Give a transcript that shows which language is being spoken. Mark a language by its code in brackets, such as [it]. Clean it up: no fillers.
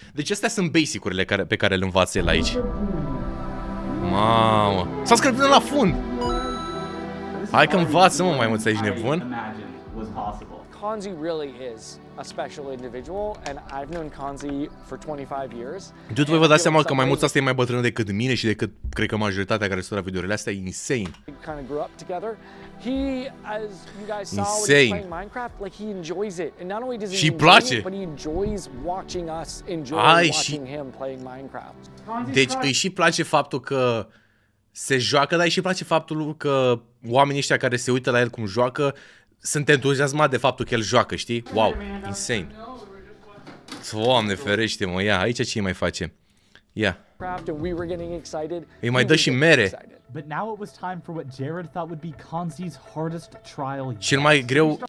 [ro] Deci astea sunt basic-urile pe care le învață el aici. Mamă. S-a scăpat la fund. Hai că învață, mă, maimuță, ești nebun? [en] Kanzi really is a special individual and I've known Kanzi for 25 years. [ro] Dude, voi vă dați seama că maimuța asta e mai bătrână decât mine și decât cred că majoritatea care sunt la videourile astea, e insane. [en] We kind of grew up together. He, as you guys saw, he's playing Minecraft, like he enjoys it. And not only does he enjoy it, but he enjoys watching us enjoy watching him playing Minecraft. [ro] Deci îi și place faptul că se joacă, dar îi și place faptul că oamenii ăștia care se uită la el cum joacă sunt entuziasmat de faptul că el joacă, știi? Wow, insane. Doamne ferește, mă, ia, aici ce mai face? Ia. [en] Minecraft and we were getting excited. [ro] Îi mai dă și mere. [en] But now it was time for what Jared thought would be Conzi's hardest trial yet.